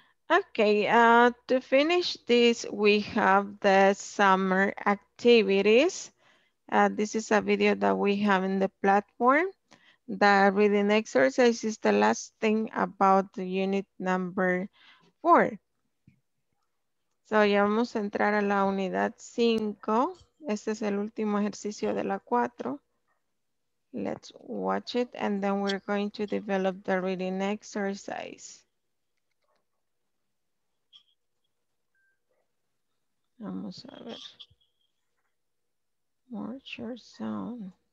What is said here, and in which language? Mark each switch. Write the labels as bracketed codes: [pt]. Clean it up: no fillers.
[en] Okay, to finish this, we have the summer activities. This is a video that we have in the platform. The reading exercise is the last thing about the unit number 4. [es] So ya vamos a entrar a la unidad 5. Este es el último ejercicio de la 4. [en] Let's watch it and then we're going to develop the reading exercise. [es] Vamos a ver. [en] Watch your sound.